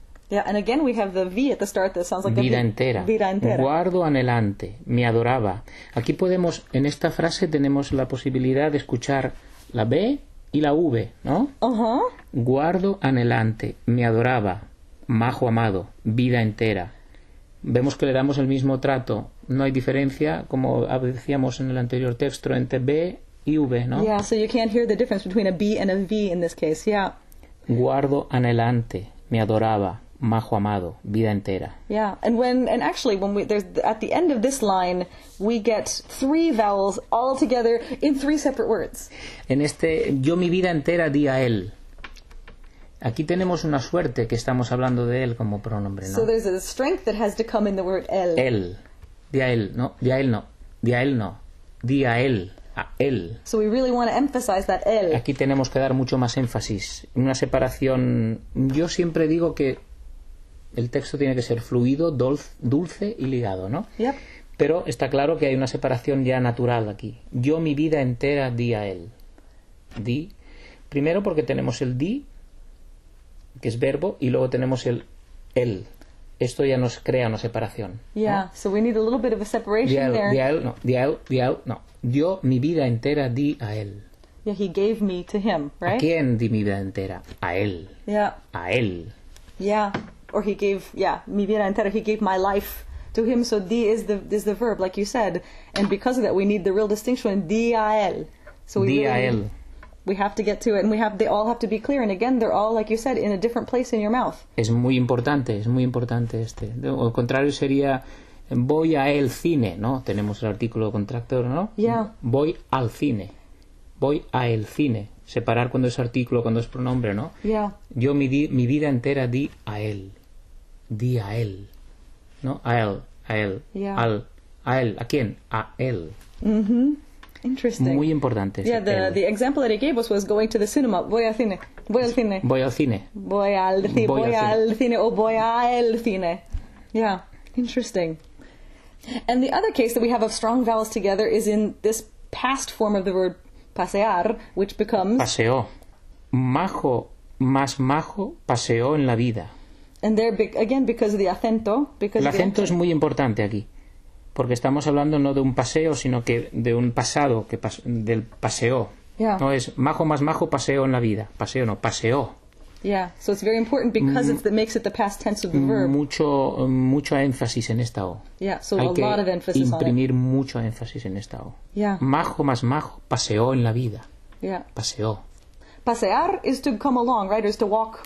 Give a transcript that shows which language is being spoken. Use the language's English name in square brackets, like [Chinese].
[English] Yeah, and again we have the V at the start that sounds like [Spanish] vida [English] a V. [Spanish] Entera. Vida entera. Guardo anhelante, me adoraba. Aquí podemos, en esta frase tenemos la posibilidad de escuchar la B y la V, ¿no? [English] Uh-huh. [Spanish] Guardo anhelante, me adoraba, majo amado, vida entera. Vemos que le damos el mismo trato, no hay diferencia, como decíamos en el anterior texto, entre B y V, ¿no? [English] Yeah, so you can't hear the difference between a B and a V in this case, yeah. [Spanish] Guardo anhelante, me adoraba, majo amado, vida entera. [English] Yeah, there's at the end of this line, we get three vowels all together in three separate words. [Spanish] En este, yo mi vida entera di a él. Aquí tenemos una suerte que estamos hablando de él como pronombre, ¿no? [English] So there's a strength that has to come in the word él. [Spanish] Él. Di a él, no, di a él no, di a él no, di a él. A él. [English] So we really want to emphasize that él. [Spanish] Aquí tenemos que dar mucho más énfasis. Una separación. Yo siempre digo que el texto tiene que ser fluido, dulce y ligado, ¿no? [English] Yep. [Spanish] Pero está claro que hay una separación ya natural aquí. Yo mi vida entera di a él. Di. Primero porque tenemos el di, que es verbo, y luego tenemos el él. Esto ya nos crea una separación. [English] Yeah, [Spanish] ¿no? [English] So we need a little bit of a separation [Spanish] di a él, [English] there. [Spanish] Di a él, no. Di a él, no. Yo mi vida entera di a él. [English] Yeah, he gave me to him, right? [Spanish] ¿A quién di mi vida entera? A él. [English] Yeah. [Spanish] A él. [English] Yeah. Or he gave, yeah, [Spanish] mi vida entera, [English] he gave my life to him. So di is the verb, like you said. And because of that, we need the real distinction, [Spanish] di a él. [English] So [Spanish] di a él. [English] We have to get to it, and they all have to be clear. And again, they're all, like you said, in a different place in your mouth. [Spanish] Es muy importante este. Al contrario sería, voy a el cine, ¿no? Tenemos el artículo contractor, ¿no? [English] Yeah. [Spanish] Voy al cine. Voy a el cine. Separar cuando es artículo, cuando es pronombre, ¿no? [English] Yeah. [Spanish] Yo mi vida entera di a él. Di a él. ¿No? A él. A él. [English] Yeah. [Spanish] A él. ¿A quién? A él. [English] Mm-hmm. Interesting. [Spanish] Muy importante. [English] Yeah, the example that he gave us was going to the cinema. [Spanish] Voy al cine. Voy al cine. Voy al cine. Voy al cine. Voy al cine. O voy a el cine. [English] Yeah. Interesting. And the other case that we have of strong vowels together is in this past form of the word pasear, which becomes... [Spanish] Paseo. Majo más majo paseó en la vida. [English] And there, again, because of the acento. [Spanish] El acento es muy importante aquí. Porque estamos hablando no de un paseo, sino que de un pasado, que del paseo. [English] Yeah. [Spanish] No es majo más majo paseó en la vida. Paseo, no. Paseó. [English] Yeah, so it's very important because it makes it the past tense of the verb. [Spanish] Mucho énfasis en esta O. [English] Yeah, so a lot of emphasis on it. [Spanish] Imprimir mucho énfasis en esta O. [English] Yeah. [Spanish] Majo más majo, paseó en la vida. [English] Yeah. [Spanish] Paseó. [English] Pasear is to come along, right? Is to walk.